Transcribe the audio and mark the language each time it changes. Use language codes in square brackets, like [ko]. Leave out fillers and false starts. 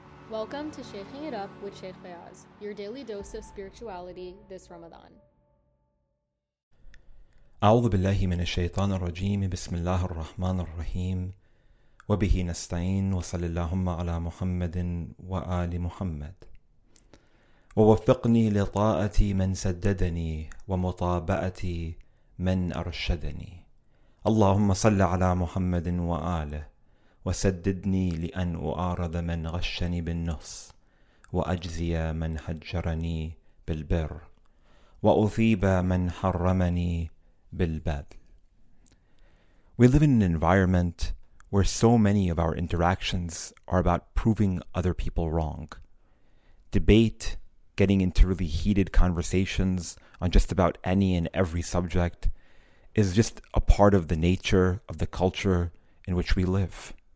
[en] Welcome to Shaking It Up with Sheikh Fayaz, your daily dose of spirituality this Ramadan. [ar] أعوذ بالله من الشيطان الرجيم بسم الله الرحمن الرحيم وبه نستعين وصلى اللهم على محمد وآل محمد ووفقني لطاعة من سددني ومطابعة من أرشدني اللهم صل على محمد وآله وسددني لأن أعارض من غشني بالنص وأجزي من حجرني بالبر وأثيب من حرمني بالبذل. [en] We live in an environment where so many of our interactions are about proving other people wrong. Debate, getting into really heated conversations on just about any and every subject, is just a part of the nature of the culture in which we live.